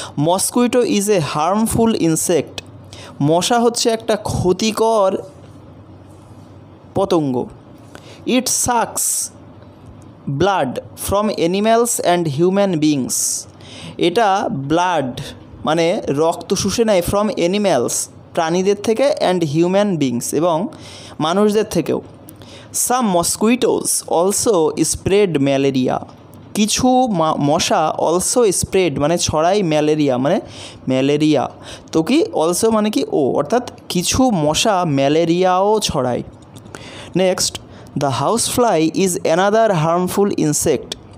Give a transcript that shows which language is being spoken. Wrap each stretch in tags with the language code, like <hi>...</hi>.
<en>mosquito is a harmful insect,</en> <bn>মশা হচ্ছে একটা ক্ষতিকর পতঙ্গ।</bn> <en>it sucks blood from animals and human beings,</en> <bn>এটা ব্লাড মানে রক্ত শুষে নেয়</bn> <en>From animals প্রাণীদের থেকে, and human beings এবং মানুষদের থেকেও। Some mosquitoes also spread malaria.</en> <bn>কিছু মশা অলসো স্প্রেড মানে ছড়ায় ম্যালেরিয়া, মানে ম্যালেরিয়া তো কি অলসো মানে কি ও, অর্থাৎ কিছু মশা ম্যালেরিয়াও ছড়ায়।</bn> <en>Next, the house fly is another harmful insect.</en>